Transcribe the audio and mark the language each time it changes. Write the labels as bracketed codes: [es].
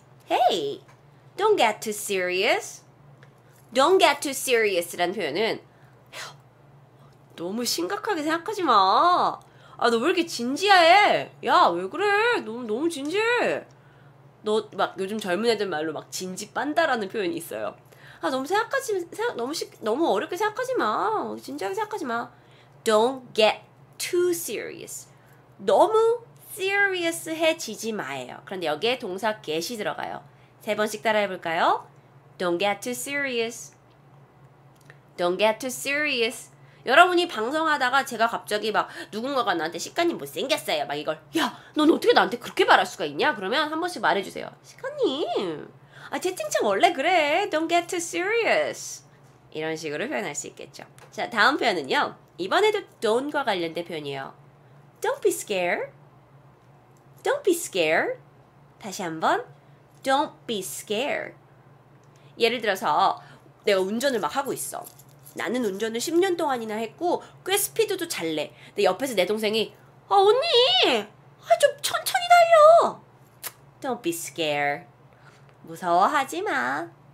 [en] Hey, don't get too serious. Don't get too serious [ko] 라는 표현은 너무 심각하게 생각하지 마. 아, 너 왜 이렇게 진지해? 야, 왜 그래? 너무 진지해. 너 막 요즘 젊은 애들 말로 막 진지 빤다라는 표현이 있어요. 아, 너무 어렵게 생각하지 마. 진지하게 생각하지 마. [en] Don't get too serious. [ko] 너무 serious해지지 마예요. 그런데 여기에 동사 get이 들어가요. 세 번씩 따라해볼까요? [en] Don't get too serious. Don't get too serious. [ko] 여러분이 방송하다가 제가 갑자기 막 누군가가 나한테 시카님 못생겼어요. 막 이걸 야, 넌 어떻게 나한테 그렇게 말할 수가 있냐? 그러면 한 번씩 말해주세요. 시카님, 아, 채팅창 원래 그래. [en] Don't get too serious. [ko] 이런 식으로 표현할 수 있겠죠. 자, 다음 표현은요. 이번에도 don't과 관련된 표현이에요. [en] Don't be scared. Don't be scared. [ko] 다시 한번 [en] Don't be scared. [ko] 예를 들어서 내가 운전을 막 하고 있어. 나는 운전을 10년 동안이나 했고 꽤 스피드도 잘 내. 근데 옆에서 내 동생이 아 언니 좀 천천히 달려. [en] Don't be scared. [ko] 무서워하지 마.